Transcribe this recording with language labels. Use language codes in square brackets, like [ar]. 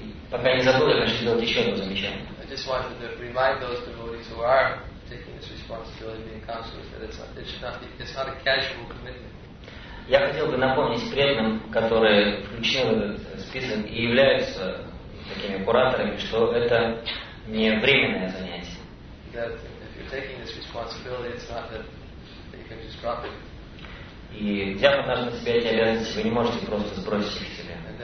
[ru] Пока не забыл, я хочу сделать еще одно замечание. [en] I just wanted to remind those devotees who are taking this responsibility, being counselors, that it's not a casual commitment. [ru] Я хотел бы напомнить преданным, которые включены в этот список и являются такими кураторами, что это не временное занятие. [en] That if you're taking this responsibility, it's not that you can just drop it. [ru] И взяв однажды на себя эти обязанности, вы не можете просто сбросить их себе.